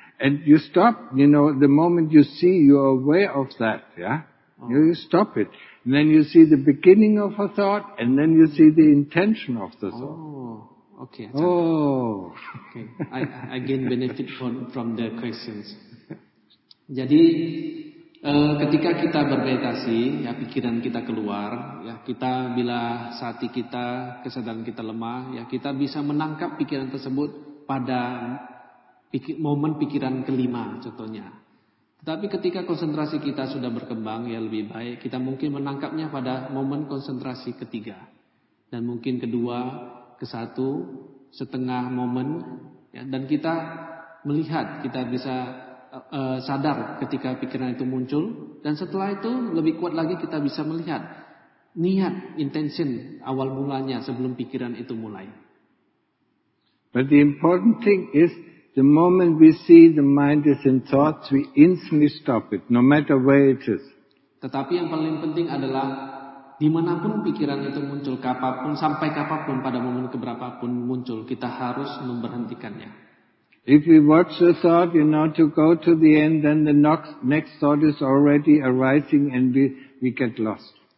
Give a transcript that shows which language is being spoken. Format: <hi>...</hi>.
<en>And you stop, you know, the moment you see, you are aware of that, yeah. Oh. You stop it. And then you see the beginning of a thought, and then you see the intention of the thought. Oh, okay. Okay. I gain benefit from the questions.</en> <id>Jadi, ketika kita bermeditasi, ya pikiran kita keluar, ya kita bila sati kita, kesadaran kita lemah, ya kita bisa menangkap pikiran tersebut pada momen pikiran kelima, contohnya. Tapi ketika konsentrasi kita sudah berkembang, ya lebih baik, kita mungkin menangkapnya pada momen konsentrasi ketiga. Dan mungkin kedua, kesatu, setengah momen. Ya, dan kita melihat, kita bisa sadar ketika pikiran itu muncul. Dan setelah itu, lebih kuat lagi kita bisa melihat niat, intention, awal mulanya sebelum pikiran itu mulai.</id> <en>But the important thing is, the moment we see the mind is in thoughts, we instantly stop it, no matter where it is.</en> <id>Tetapi yang paling penting adalah dimanapun pikiran itu muncul, kapanpun, sampai kapanpun, pada momen keberapapun muncul, kita harus memberhentikannya.</id> <en>If we watch the thought, you know, to go to the end, then the next thought is already arising and we get lost.</en>